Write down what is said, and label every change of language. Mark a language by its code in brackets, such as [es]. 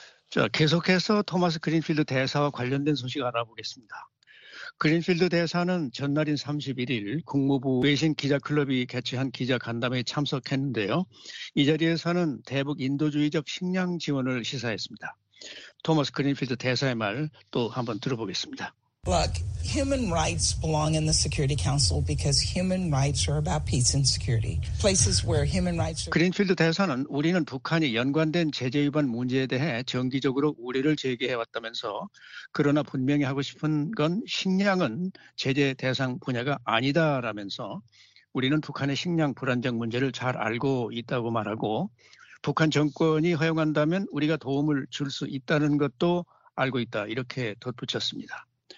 [ko] 자, 계속해서 토마스 그린필드 대사와 관련된 소식 알아보겠습니다. 그린필드 대사는 전날인 31일 국무부 외신 기자클럽이 개최한 기자간담회에 참석했는데요. 이 자리에서는 대북 인도주의적 식량 지원을 시사했습니다. 토마스 그린필드 대사의 말 또 한번 들어보겠습니다. [en] Look, human rights belong in the Security Council because human rights are about peace and security. Places where human rights are... [ko] 그린필드 대사는 우리는 북한이 연관된 제재 위반 문제에 대해 정기적으로 우려를 제기해왔다면서 그러나 분명히 하고 싶은 건 식량은 제재 대상 분야가 아니다라면서 우리는 북한의 식량 불안정 문제를 잘 알고 있다고 말하고 북한 정권이 허용한다면 우리가 도움을 줄 수 있다는 것도 알고 있다 이렇게 덧붙였습니다.